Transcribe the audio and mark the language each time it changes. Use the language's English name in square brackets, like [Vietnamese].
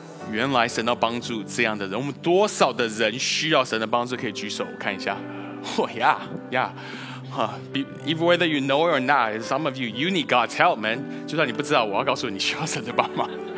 [Chinese] 原来神都帮助这样的人，我们多少的人需要神的帮助？可以举手，我看一下。 [English] Oh yeah, yeah. Even whether you know it or not, some of you need God's help, man. [Chinese] 就算你不知道，我要告诉你需要神的帮忙。